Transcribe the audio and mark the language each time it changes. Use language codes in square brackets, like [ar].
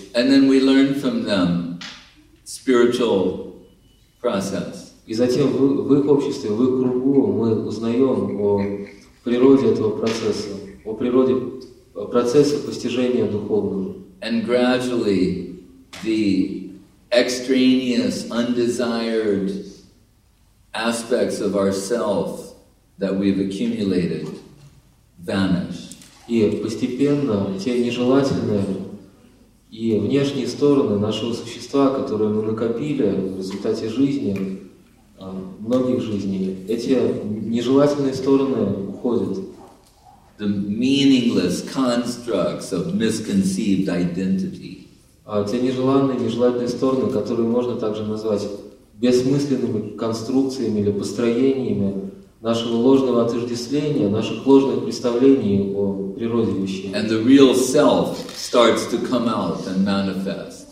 [en] And then we learn from them spiritual process. [ru] И затем в их обществе, в их кругу мы узнаем о природе этого процесса, о природе процесса постижения духовного. [en] And gradually the extraneous, undesired aspects of ourself that we've accumulated vanish. [ru] И постепенно те нежелательные и внешние стороны нашего существа, которые мы накопили в результате жизни, многих жизней, эти нежелательные стороны уходят. [en] The meaningless constructs of misconceived identity. [ru] Те нежеланные, нежелательные стороны, которые можно также назвать бессмысленными конструкциями или построениями нашего ложного отождествления, наших ложных представлений о природе вещей. [en] And the real self starts to come out and manifest.